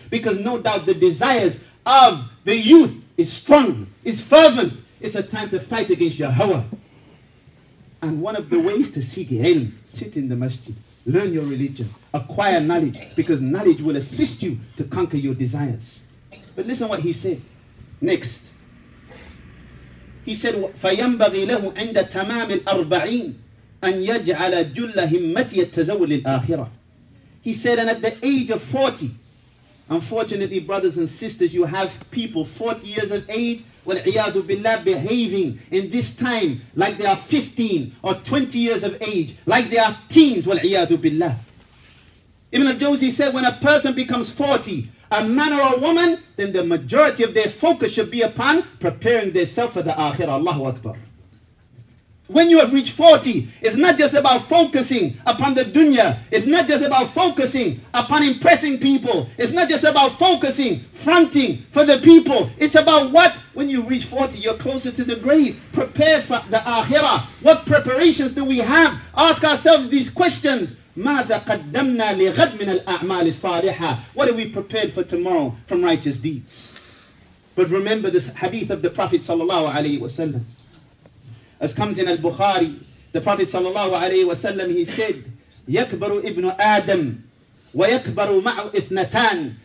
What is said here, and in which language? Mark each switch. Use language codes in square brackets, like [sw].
[en] Because no doubt the desires of the youth is strong, it's fervent. It's a time to fight against your hawa. And one of the ways to seek ilm, sit in the masjid, learn your religion, acquire knowledge, because knowledge will assist you to conquer your desires. But listen what he said next. He said, [ar] فَيَنْبَغِي لَهُ عِنْدَ تَمَامِ الْأَرْبَعِينَ أَنْ يَجْعَلَ جُلَّ هِمَّتِي التَّزَوُّ لِلْآخِرَةِ. [en] He said, and at the age of 40, unfortunately, brothers and sisters, you have people 40 years of age, [ar] وَالْعِيَادُ بِاللَّهِ, [en] behaving in this time like they are 15 or 20 years of age, like they are teens, وَالْعِيَادُ بِاللَّهِ. Ibn al-Jawzi said, when a person becomes 40, a man or a woman, then the majority of their focus should be upon preparing themselves for the akhirah. Allahu Akbar. When you have reached 40, it's not just about focusing upon the dunya. It's not just about focusing upon impressing people. It's not just about focusing, fronting for the people. It's about what? When you reach 40, you're closer to the grave. Prepare for the akhirah. What preparations do we have? Ask ourselves these questions. [ar] ماذا قدمنا لغد من الأعمال الصالحة. [en] What are we prepared for tomorrow from righteous deeds? But remember this hadith of the Prophet sallallahu alaihi wasallam, as comes in al-Bukhari. [ar] The Prophet sallallahu alaihi wasallam, [en] he said, [ar] يكبر ابن آدم ويكبر معه اثنتان.